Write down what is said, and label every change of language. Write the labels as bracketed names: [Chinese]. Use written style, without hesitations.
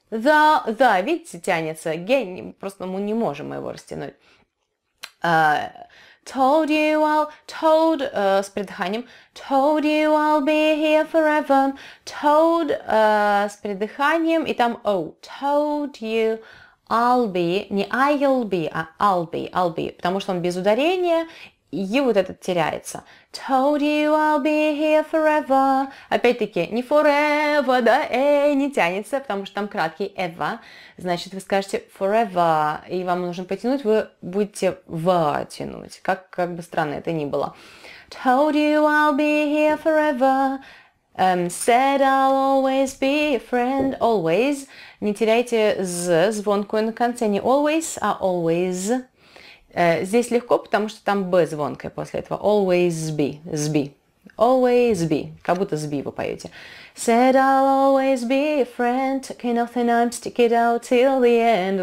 [Russian] The, видите, тянется, ге, просто мы не можем его растянуть. [English] Told you I'll, told, [Russian] с придыханием, [English] told you I'll be here forever. [Russian] Told, с придыханием, и там oh, [English] told you I'll be, [Russian] не I'll be, а I'll be, потому что он без ударения, и вот этот теряется. [English] Told you I'll be here forever. [Russian] Опять-таки, не forever, да, не тянется, потому что там краткий ever. Значит, вы скажете forever, и вам нужно потянуть, вы будете в тянуть, как бы странно это ни было. [English] Told you I'll be here forever. Said I'll always be a friend, always. [Russian] Не теряйте z, звонкую на конце, не always, а always. Здесь легко, потому что там b звонкая после этого. [English] Always be, be. [Russian] Always be, как будто с b вы поете. [English] Said I'll always be a friend, took an oath and I'm stick it out till the end.